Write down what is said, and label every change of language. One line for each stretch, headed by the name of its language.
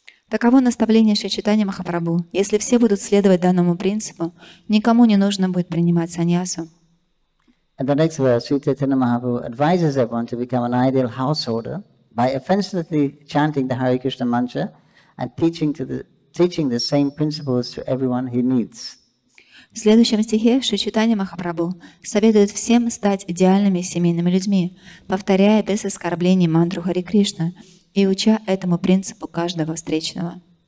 Russian: Таково наставление Шри Чайтанья Махапрабху. Если все будут следовать данному принципу, никому не нужно будет принимать саньясу.
English: And the next verse, Sri Caitanya Mahaprabhu advises everyone to become an ideal householder by offensively chanting the Hare Krishna mantra and teaching the same principles to everyone he meets.
Russian: В следующем стихе Шри Чайтанья Махапрабху советует всем стать идеальными семейными людьми, повторяя без оскорблений мантру Хари Кришна и уча этому принципу каждого встречного.